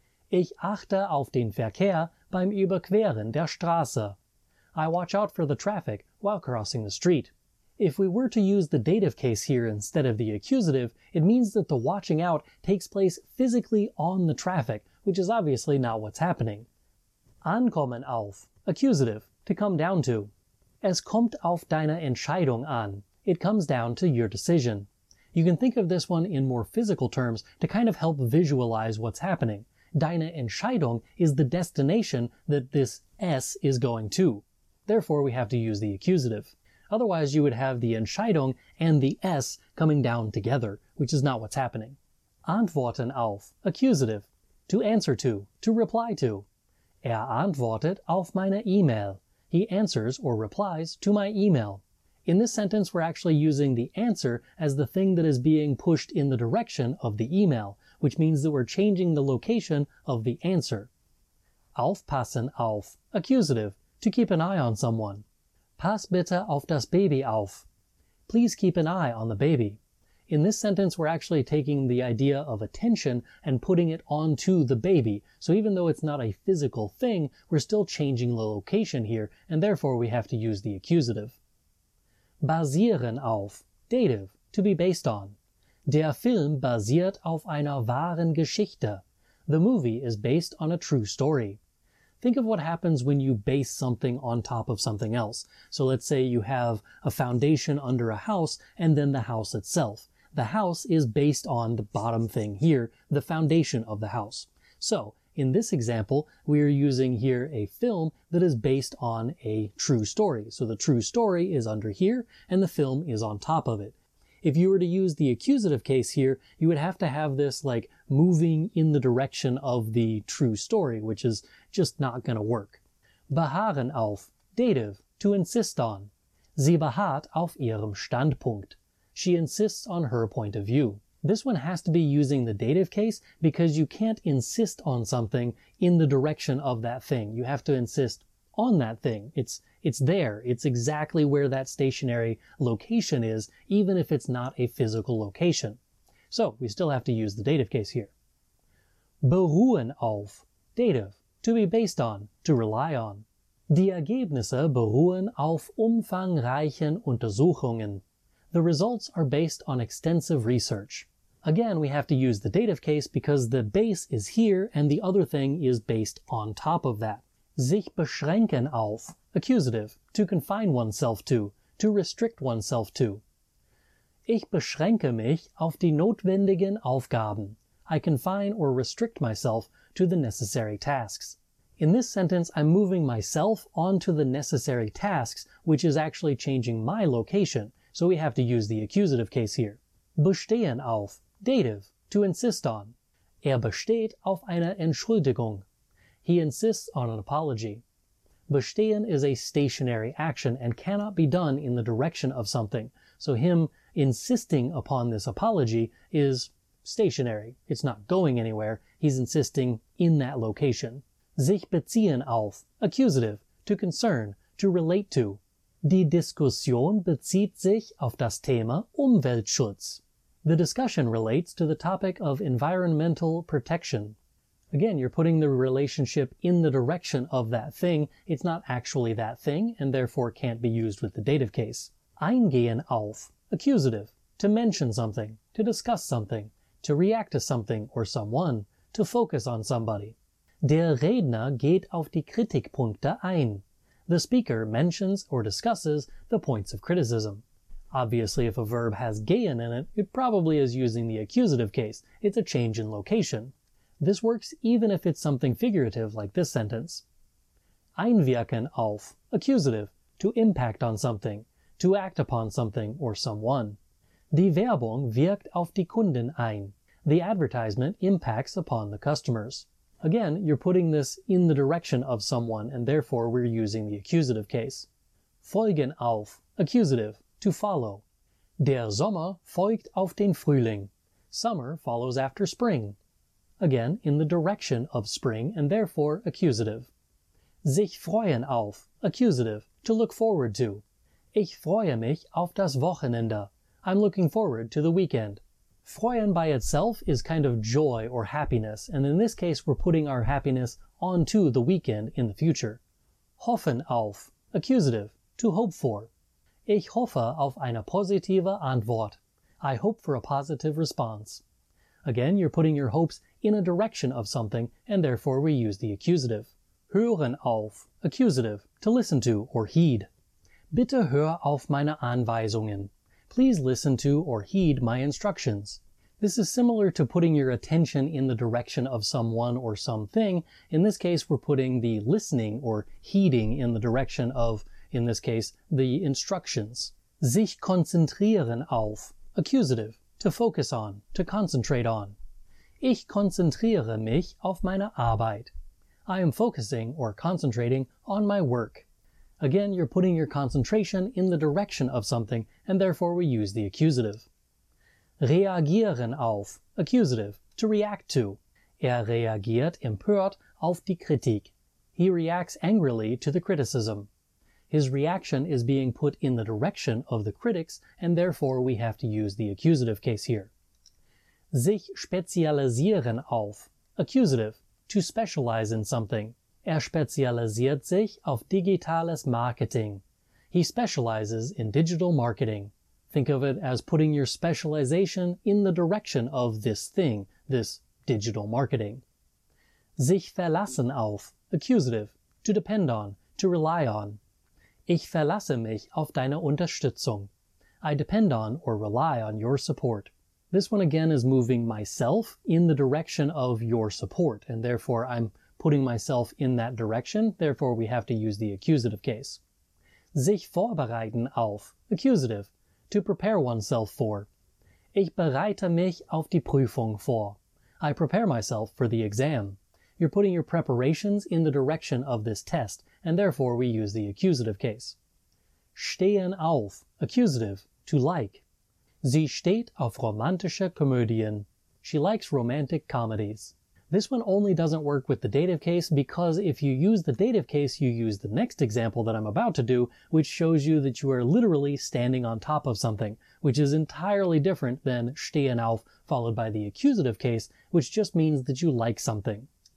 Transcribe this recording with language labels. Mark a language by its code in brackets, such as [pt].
[de] Ich achte auf den Verkehr beim Überqueren der Straße. [en] I watch out for the traffic while crossing the street. If we were to use the dative case here instead of the accusative, it means that the watching out takes place physically on the traffic, which is obviously not what's happening. Ankommen auf, accusative, to come down to. [de] Es kommt auf deine Entscheidung an. [en] It comes down to your decision. You can think of this one in more physical terms to kind of help visualize what's happening. Deine Entscheidung is the destination that this S is going to. Therefore, we have to use the accusative. Otherwise, you would have the Entscheidung and the S coming down together, which is not what's happening. Antworten auf, accusative, to answer to reply to. [de] Er antwortet auf meine E-Mail. [en] He answers or replies to my email. In this sentence, we're actually using the answer as the thing that is being pushed in the direction of the email, which means that we're changing the location of the answer. Aufpassen auf, accusative, to keep an eye on someone. [de] Pass bitte auf das Baby auf. [en] Please keep an eye on the baby. In this sentence, we're actually taking the idea of attention and putting it onto the baby. So even though it's not a physical thing, we're still changing the location here, and therefore we have to use the accusative. Basieren auf, dative, to be based on. [de] Der Film basiert auf einer wahren Geschichte. [en] The movie is based on a true story. Think of what happens when you base something on top of something else. So let's say you have a foundation under a house and then the house itself. The house is based on the bottom thing here, the foundation of the house. So in this example, we are using here a film that is based on a true story. So the true story is under here and the film is on top of it. If you were to use the accusative case here, you would have to have this, like, moving in the direction of the true story, which is just not going to work. Beharren auf, dative, to insist on. [de] Sie beharrt auf ihrem Standpunkt. [en] She insists on her point of view. This one has to be using the dative case because you can't insist on something in the direction of that thing. You have to insist on that thing. It's there. It's exactly where that stationary location is, even if it's not a physical location. So we still have to use the dative case here. Beruhen auf, dative, to be based on, to rely on. [de] Die Ergebnisse beruhen auf umfangreichen Untersuchungen. [en] The results are based on extensive research. Again, we have to use the dative case because the base is here and the other thing is based on top of that. Sich beschränken auf, accusative, to confine oneself to restrict oneself to. [de] Ich beschränke mich auf die notwendigen Aufgaben. [en] I confine or restrict myself to the necessary tasks. In this sentence, I'm moving myself onto the necessary tasks, which is actually changing my location, so we have to use the accusative case here. [de] Bestehen auf, [en] dative, to insist on. [de] Besteht auf einer Entschuldigung. [en] He insists on an apology. Bestehen is a stationary action and cannot be done in the direction of something. So him insisting upon this apology is stationary. It's not going anywhere. He's insisting in that location. Sich beziehen auf, accusative, to concern, to relate to. [de] Die Diskussion bezieht sich auf das Thema Umweltschutz. [en] The discussion relates to the topic of environmental protection. Again, you're putting the relationship in the direction of that thing. It's not actually that thing, and therefore can't be used with the dative case. Eingehen auf, accusative, to mention something, to discuss something, to react to something or someone, to focus on somebody. [de] Der Redner geht auf die Kritikpunkte ein. [en] The speaker mentions or discusses the points of criticism. Obviously, if a verb has gehen in it, it probably is using the accusative case. It's a change in location. This works even if it's something figurative, like this sentence. Einwirken auf, accusative, to impact on something, to act upon something or someone. [de] Die Werbung wirkt auf die Kunden ein. [en] The advertisement impacts upon the customers. Again, you're putting this in the direction of someone, and therefore we're using the accusative case. [de] Folgen auf, [en] accusative, to follow. [de] Der Sommer folgt auf den Frühling. [en] Summer follows after spring. Again, in the direction of spring, and therefore accusative. Sich freuen auf, accusative, to look forward to. [de] Ich freue mich auf das Wochenende. [en] I'm looking forward to the weekend. Freuen by itself is kind of joy or happiness, and in this case we're putting our happiness onto the weekend in the future. Hoffen auf, accusative, to hope for. [de] Ich hoffe auf eine positive Antwort. [en] I hope for a positive response. Again, you're putting your hopes in a direction of something, and therefore we use the accusative. Hören auf, accusative, to listen to or heed. [de] Bitte hör auf meine Anweisungen. [en] Please listen to or heed my instructions. This is similar to putting your attention in the direction of someone or something. In this case, we're putting the listening or heeding in the direction of, in this case, the instructions. Sich konzentrieren auf, accusative, to focus on, to concentrate on. [de] Ich konzentriere mich auf meine Arbeit. [en] I am focusing or concentrating on my work. Again, you're putting your concentration in the direction of something, and therefore we use the accusative. Reagieren auf, accusative, to react to. [de] Reagiert empört auf die Kritik. [en] He reacts angrily to the criticism. his reaction is being put in the direction of the critics, and therefore we have to use the accusative case here. Sich spezialisieren auf, accusative, to specialize in something. [de] Spezialisiert sich auf digitales Marketing. [en] He specializes in digital marketing. Think of it as putting your specialization in the direction of this thing, this digital marketing. Sich verlassen auf, accusative, to depend on, to rely on. [de] Ich verlasse mich auf deine Unterstützung. [en] I depend on or rely on your support. This one again is moving myself in the direction of your support, and therefore I'm putting myself in that direction, therefore we have to use the accusative case. Sich vorbereiten auf, accusative, to prepare oneself for. [de] Ich bereite mich auf die Prüfung vor. [en] I prepare myself for the exam. You're putting your preparations in the direction of this test, and therefore we use the accusative case. Stehen auf, accusative, to like. [de] Sie steht auf romantische Komödien. [en] She likes romantic comedies. This one only doesn't work with the dative case because if you use the dative case, you use the next example that I'm about to do, which shows you that you are literally standing on top of something, which is entirely different than stehen auf, followed by the accusative case, which just means that you like something.